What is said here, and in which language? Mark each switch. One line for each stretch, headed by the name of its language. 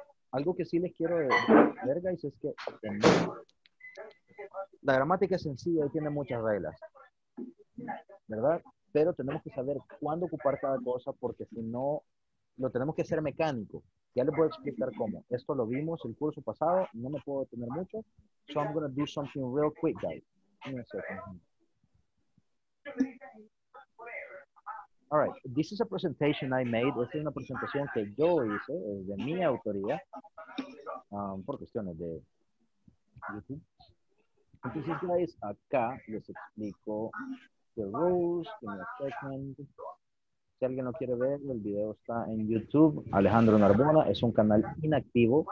Spanish: Algo que sí les quiero ver, guys, es que la gramática es sencilla y tiene muchas reglas. ¿Verdad? Pero tenemos que saber cuándo ocupar cada cosa porque si no, lo tenemos que hacer mecánico. Ya les voy a explicar cómo. Esto lo vimos el curso pasado. No me puedo detener mucho.
English: So I'm going to do something real quick, guys. All right, this is a presentation I made.
Spanish: Esta es una presentación que yo hice de mi autoría por cuestiones de YouTube. Entonces, guys, acá les explico
English: the rules in the segment.
Spanish: Si alguien lo quiere ver, el video está en YouTube. Alejandro Narbona es un canal inactivo.